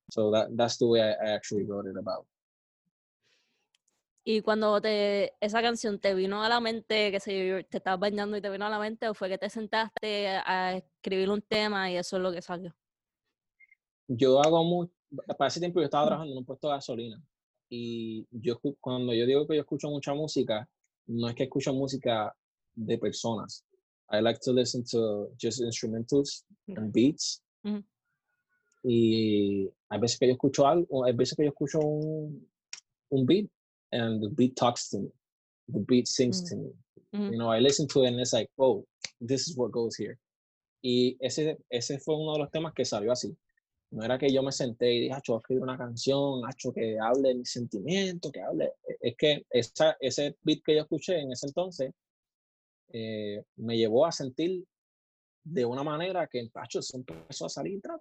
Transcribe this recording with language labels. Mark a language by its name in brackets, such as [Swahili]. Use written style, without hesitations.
[English] So that's the way I actually wrote it about. [Spanish] ¿Y cuando esa canción te vino a la mente, que se te estabas bañando y te vino a la mente, o fue que te sentaste a escribir un tema y eso es lo que salió? Yo hago mucho, para ese tiempo yo estaba trabajando en un puesto de gasolina, y yo cuando yo digo que yo escucho mucha música, no es que escucho música de personas. [English] I like to listen to just instrumentals and beats. [Spanish] Mm-hmm. Y hay veces que yo escucho algo, hay veces que yo escucho un beat, and the beat talks to me. The beat sings mm-hmm. to me. Mm-hmm. [English] You know, I listen to it and it's like, oh, this is what goes here. [Spanish] Y ese fue uno de los temas que salió así. No era que yo me senté y dije, Acho, voy a escribir una canción, Acho, que hable de mis sentimientos, que hable. Es que ese beat que yo escuché en ese entonces me llevó a sentir de una manera que, Acho, se empezó a salir.